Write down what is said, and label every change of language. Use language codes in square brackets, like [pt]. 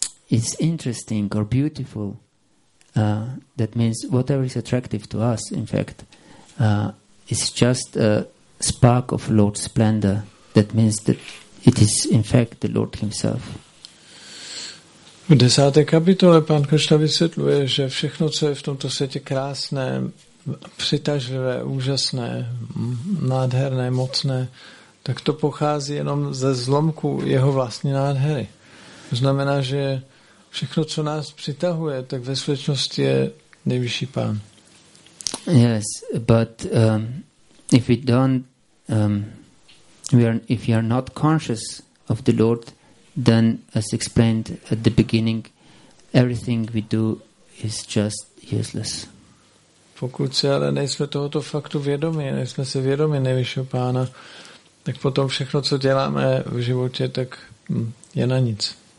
[en] is interesting or beautiful, that means whatever is attractive to us, in fact, is just a spark of Lord's splendor. That means that it is in fact the Lord himself. [cs] V desáté kapitole pan Krishna vysvětluje, že všechno, co je v tomto světě krásné, přitažlivé, úžasné, nádherné, mocné, tak to pochází jenom ze zlomku jeho vlastní nádhery. To znamená, že všechno, co nás přitahuje, tak ve skutečnosti je nejvyšší Pán. [en] Yes, but if we don't if you are not conscious of the Lord, then as explained at the beginning, everything we do is just useless. [cs] Pokud si ale nejsme tohoto faktu vědomi, nejsme si vědomi nejvyššího Pána, tak potom všechno, co děláme v životě, tak je na nic.